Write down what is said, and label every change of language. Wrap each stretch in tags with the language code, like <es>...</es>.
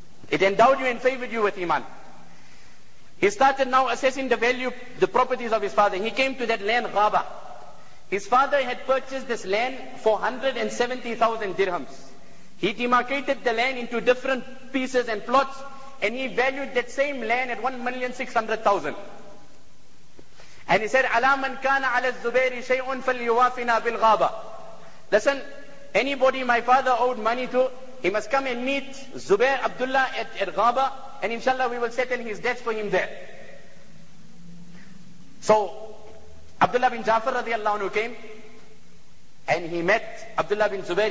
<en>It endowed you and favored you with iman. He started now assessing the value, the properties of his father. He came to that land, Ghaba. His father had purchased this land for 170,000 dirhams. He demarcated the land into different pieces and plots, and he valued that same land at 1,600,000. And he said,</en> <ar>عَلَى مَنْ كَانَ عَلَى الزُّبَيْرِ شَيْءٌ فَلْيُوَافِنَا بِالْغَابَ.</ar> <en>Listen, anybody my father owed money to, he must come and meet Zubair Abdullah at Ghaba, and inshallah we will settle his debts for him there. So, Abdullah bin Jafar radiallahu anhu came and he met Abdullah bin Zubair.</en>